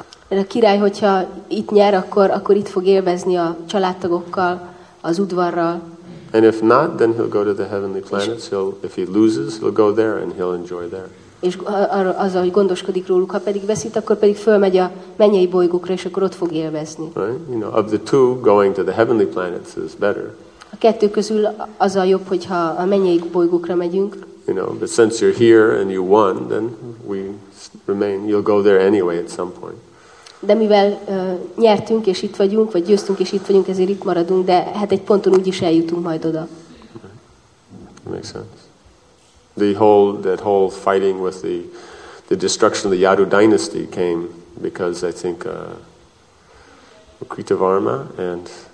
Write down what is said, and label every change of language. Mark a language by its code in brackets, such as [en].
[hu] Mert a király, hogyha itt nyer, akkor itt fog élvezni a családtagokkal, az udvarral. [en] And if not, then he'll go to the heavenly planets. If he loses, he'll go there and he'll enjoy there. [hu] És az, hogy gondoskodik róluk, ha pedig veszít, akkor pedig fölmegy a mennyei bolygókra, és akkor ott fog élvezni. [en] Right? You know, of the two, going to the heavenly planets is better. [hu] A kettő közül az a jobb, hogyha a mennyei bolygókra megyünk. [en] You know, but since you're here and you won, then we remain. You'll go there anyway at some point. [hu] De mivel nyertünk és itt vagyunk, vagy győztünk és itt vagyunk, ezért itt maradunk, de hát egy ponton úgyis eljutunk majd oda. [en] Makes sense. That whole fighting with the destruction of the Yadu dynasty came because I think Kritavarma and